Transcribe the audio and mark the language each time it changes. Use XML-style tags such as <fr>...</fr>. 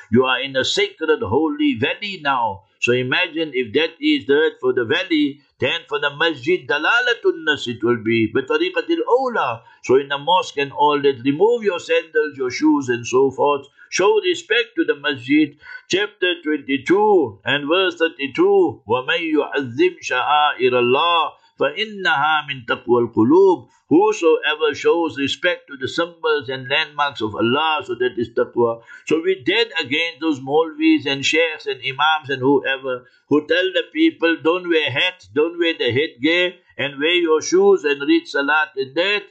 <en>You are in a sacred, holy valley now. So imagine if that is the earth for the valley, then for the masjid, dalalatun nas it will be, bitariqatil awla. So in the mosque and all that, remove your sandals, your shoes and so forth. Show respect to the masjid. Chapter 22 and verse 32,</en> <ar>وَمَنْ يُعَذِّمْ شَعَائِرَ اللَّهِ فَإِنَّهَا مِنْ تَقْوَى الْقُلُوبِ.</ar> <en>Whosoever shows respect to the symbols and landmarks of Allah, so that is taqwa. So we dead against those maulvis and sheikhs and imams and whoever who tell the people, don't wear hats, don't wear the headgear, and wear your shoes and read salat in that.</en>